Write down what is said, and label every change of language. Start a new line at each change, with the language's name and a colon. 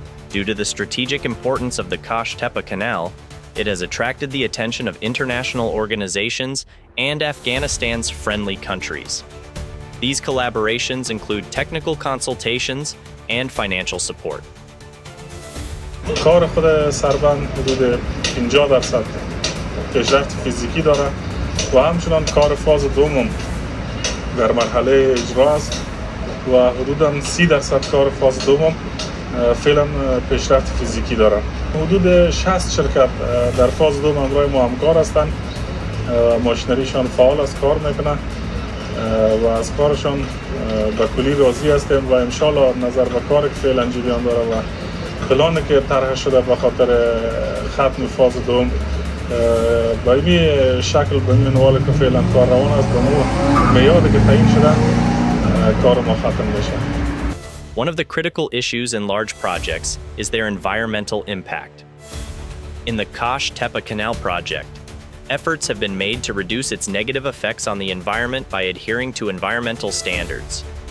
English: Due to the strategic importance of the Qosh Tepa Canal, it has attracted the attention of international organizations and Afghanistan's friendly countries. These collaborations include technical consultations and financial support.
Persian: کار خود سربند حدود 50% پیشرفت فیزیکی داره و همچنان کار فاز دوم در مرحله اجرا است و حدود 30% کار فاز دوم فعلا پیشرفت فیزیکی داره. حدود 60 شرکت در فاز دوم همراه ما همکار هستند. ماشینریشان فعال از کار میکنند و از کارشان به کلی راضی هستیم و انشاءالله نظر به کار که فعلا جریان داره و پلانی که طرح شده به خاطر ختم فاز دوم به این شکل به منوال که فعلا کار روان است به معیار که تعیین شده کار ما ختم بشه.
English: One of the critical issues in large projects is their environmental impact. In the Qosh Tepa Canal project, efforts have been made to reduce its negative effects on the environment by adhering to environmental standards.